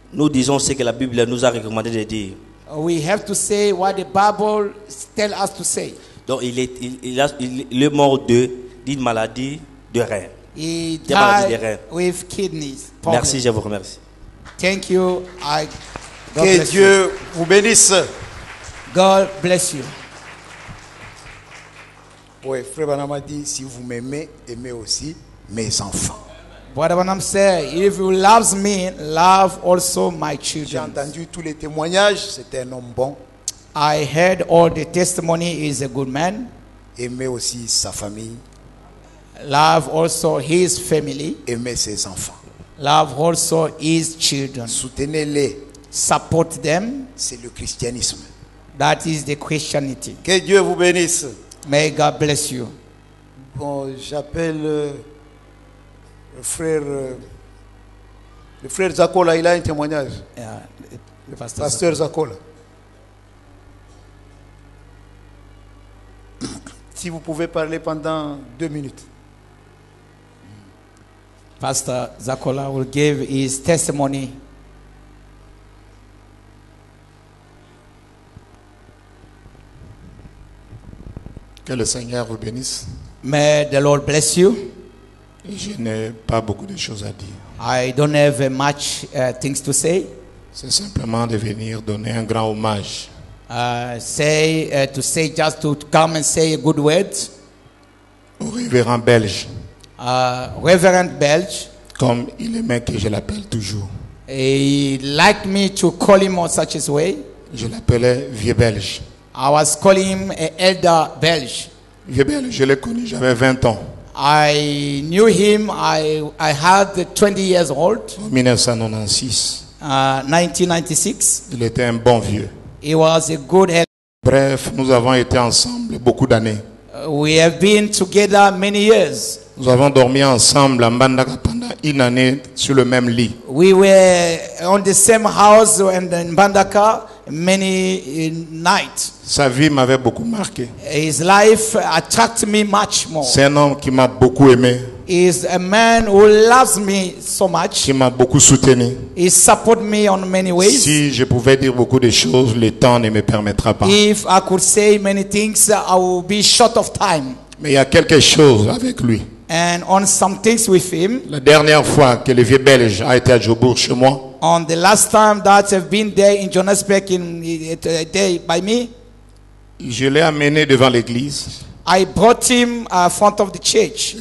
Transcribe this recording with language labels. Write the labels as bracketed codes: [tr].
[fr] Nous disons ce que la Bible nous a recommandé de dire. [en] We have to say what the Bible tells us to say. [fr] Donc il est mort d'une maladie de rein. [en] He died with kidneys. [fr] Merci, je vous remercie. [en] Thank you. [fr] Que Dieu vous bénisse. [en] God bless you. [fr] Oui, Frère Branham a dit, si vous m'aimez, aimez aussi mes enfants. [en] Brother Branham said, if you love me, love also my children. [fr] J'ai entendu tous les témoignages, c'était un homme bon. [en] I heard all the testimony, he's a good man. [fr] Aimez aussi sa famille. [en] Love also his family. [fr] Aimez ses enfants. [en] Love also his children. [fr] Soutenez-les. [en] Support them. [fr] C'est le christianisme. [en] That is the Christianity. [fr] Que Dieu vous bénisse. [en] May God bless you. [fr] Bon, j'appelle le frère Zakola, il a un témoignage. Le pasteur Zakola. Si vous pouvez parler pendant 2 minutes. [en] Pasteur Zakola will give his testimony. [fr] Que le Seigneur vous bénisse. [en] May the Lord bless you. [fr] Je n'ai pas beaucoup de choses à dire. [en] I don't have much things to say. [fr] C'est simplement de venir donner un grand hommage. [en] To say just to come and say a good word. [fr] Au révérend belge. [en] Reverend Belge. [fr] Comme il aimait que je l'appelle toujours. [en] He liked me to call him in such a way. [fr] Je l'appelais vieux belge. [en] I was calling him an elder Belge. [fr] Vieux belge, je l'ai connu, j'avais 20 ans. [en] I knew him, I had 20 years old. 1996. [fr] Il était un bon vieux. [en] He was a good elder. [fr] Bref, nous avons été ensemble beaucoup d'années. [en] We have been together many years. [fr] Nous avons dormi ensemble à Mbandaka pendant une année sur le même lit. [en] We were on the same house and in Mbandaka many nights. [fr] Sa vie m'avait beaucoup marqué. [en] His life attracted me much more. [fr] C'est un homme qui m'a beaucoup aimé. [en] He is a man who loves me so much. [fr] Qui m'a beaucoup soutenu. [en] He supports me in many ways. [fr] Si je pouvais dire beaucoup de choses, le temps ne me permettra pas. [en] If I could say many things, I would be short of time. [fr] Mais il y a quelque chose avec lui. [en] And on some things with him. [fr] La dernière fois que le vieux belge a été à Johannesburg chez moi. [en] On the last time that have been there in Johannesburg in day by me. [fr] Je l'ai amené devant l'église. [en] I brought him in front of the church.